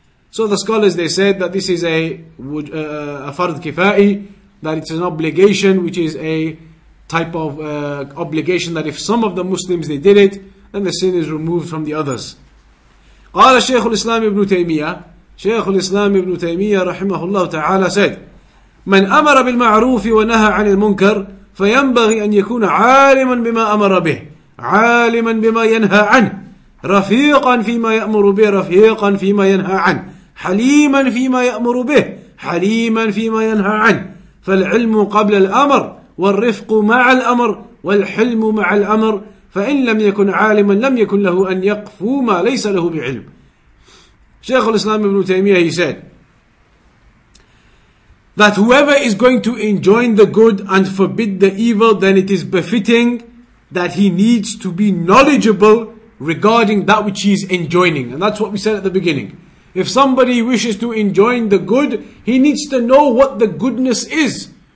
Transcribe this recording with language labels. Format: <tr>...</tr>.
<en>So the scholars, they said that this is a fard kifa'i, that it's an obligation, which is a type of obligation that if some of the Muslims, they did it, then the sin is removed from the others. قَالَ شَيْخُ الْإِسْلَامِ ابْنُ تَيْمِيَةِ.</en> <ar>Shaykh al-Islam ibn Taymiyyah rahimahullah ta'ala said, من أمر بالمعروف ونهى عن المنكر فينبغي أن يكون عالما بما أمر به عالما بما ينهى عنه رفيقا فيما يأمر به رفيقا فيما ينهى عنه حليما فيما يأمر به حليما فيما ينهى عنه فالعلم قبل الأمر والرفق مع الأمر والحلم مع الأمر فإن لم يكن عالما لم يكن له أن يقفو ما ليس له بعلم.</ar> <en>شيخ الإسلام ابن تيمية he said that whoever is going to enjoin the good and forbid the evil, then it is befitting that he needs to be knowledgeable regarding that which he is enjoining. And that's what we said at the beginning. If somebody wishes to enjoin the good, he needs to know what the goodness is.</en>